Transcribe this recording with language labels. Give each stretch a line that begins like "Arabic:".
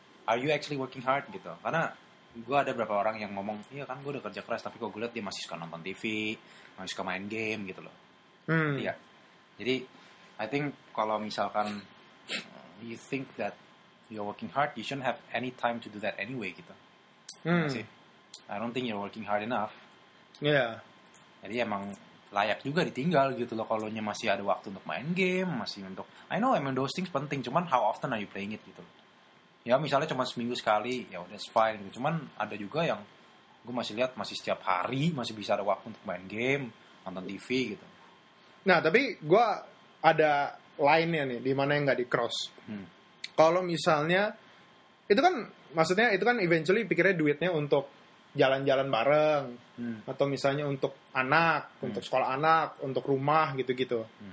English: Are you actually working hard
Indonesian: gitu? Karena gue ada beberapa orang yang ngomong, iya kan gue udah kerja keras, tapi kok gue liat dia masih suka nonton TV, masih suka main game gitu loh. Iya.
English: Jadi, I think
Indonesian: kalau misalkan
English: you think that you're working hard, you shouldn't have any time to do that anyway gitu. I don't think you're working hard enough. Yeah.
Indonesian: Jadi emang layak juga ditinggal gitu loh kalau masih ada waktu untuk main game, masih untuk...
English: I know, emang those things penting, cuman how often are you playing it gitu.
Indonesian: Ya misalnya cuma seminggu sekali, ya that's fine gitu. Cuman ada juga yang gue masih lihat masih setiap hari masih bisa ada waktu untuk main game, nonton TV gitu. Nah, tapi gue ada line-nya nih, di mana yang gak di-cross. Kalau misalnya, itu kan maksudnya itu kan eventually pikirnya duitnya untuk jalan-jalan bareng, atau misalnya untuk anak, untuk sekolah anak, untuk rumah, gitu-gitu.